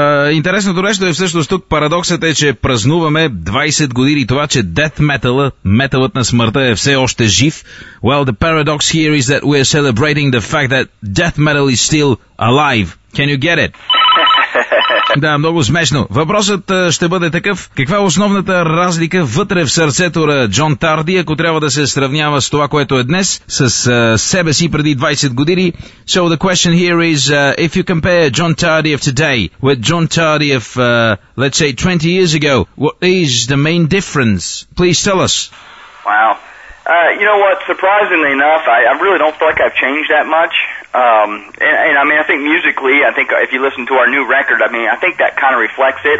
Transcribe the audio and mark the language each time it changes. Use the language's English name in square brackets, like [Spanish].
[Bulgarian] Интересното нещо е всъщност тук, парадоксът е, че празнуваме 20 години това, че Death Metal, металът на смъртта е все още жив. [English] Well, the paradox here is that we are celebrating the fact that Death Metal is still alive. Can you get it? [Bulgarian] Да, много смешно. Въпросът ще бъде такъв. Каква е основната разлика вътре в сърцето на Джон Тарди, ако трябва да се сравнява с това, което е днес, с себе си преди 20 години? [English] So the question here is, if you compare John Tardy of today with John Tardy of, let's say, 20 years ago, what is the main difference? Please tell us. Wow. You know what, surprisingly enough, I really don't feel like I've changed that much. And I mean, I think musically, I think if you listen to our new record, I mean, I think that kind of reflects it.